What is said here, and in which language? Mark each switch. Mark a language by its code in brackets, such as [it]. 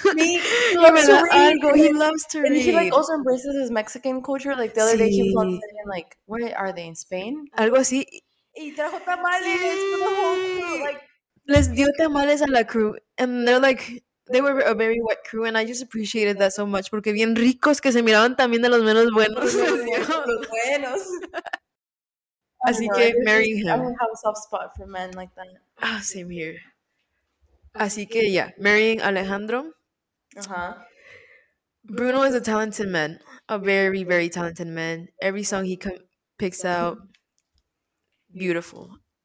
[en] He loves to read. And he, like, also embraces his Mexican culture. Like, the other day, he posted, like, where are they, in Spain? [es] Algo así. Y trajo tamales [en] for the whole crew. [es] Les dio tamales a la crew. [en] And they're, like, they were a very white crew, and I just appreciated that so much. [es] Porque bien ricos que se miraban también de los menos buenos. Los buenos. Así que, [en] marry him. I don't have a soft spot for men like that. Ah, same here. [es] Así que, [en] yeah. Marrying Alejandro. Uh-huh. Bruno is a talented man. A very, very talented man. Every song he picks out, beautiful.